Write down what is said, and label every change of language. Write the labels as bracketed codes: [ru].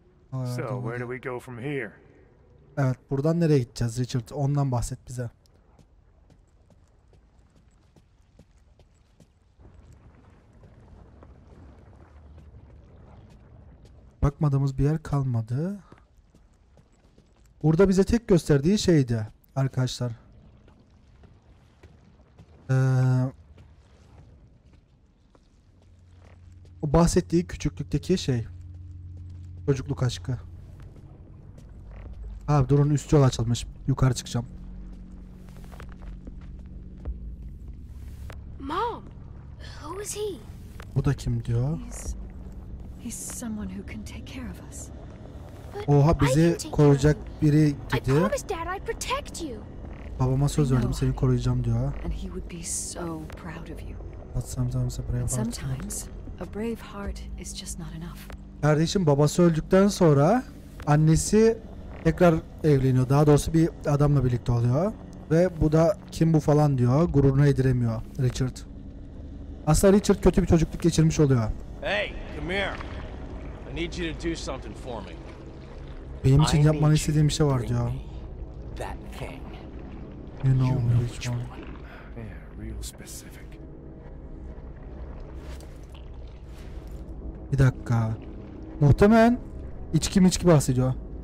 [en] So where do we go from here? [tr] Evet, buradan nereye gideceğiz Richard? Ondan bahset bize. Bakmadığımız bir yer kalmadı. Burada bize tek gösterdiği şeydi arkadaşlar. O bahsettiği küçüklükteki şey. Çocukluk aşkı. Abi durun, üst yol açılmış. Yukarı çıkacağım. [en] Mom, who is he? [tr] Bu da kim diyor? [en] He's someone who can take care of us. [tr] Oha, bizi koruyacak biri dedi. [en] I promised Dad I'd protect you. [tr] Babama söz verdim, seni koruyacağım diyor. [en] And he would be so proud of you. But sometimes a brave heart. Sometimes a brave heart is just not enough. [tr] Kardeşim, babası öldükten sonra annesi tekrar evleniyor. Daha doğrusu bir adamla birlikte oluyor. Ve bu da kim bu falan diyor. Gururuna yediremiyor Richard. Aslında Richard kötü bir çocukluk geçirmiş oluyor. [en] Hey, come here. I need you to do something for me. [tr] Benim için yapmanı istediğim bir şey var diyor. [en] You know which one. Yeah, real specific. [tr] Bir dakika. Muhtemelen içki miçki bahsediyor.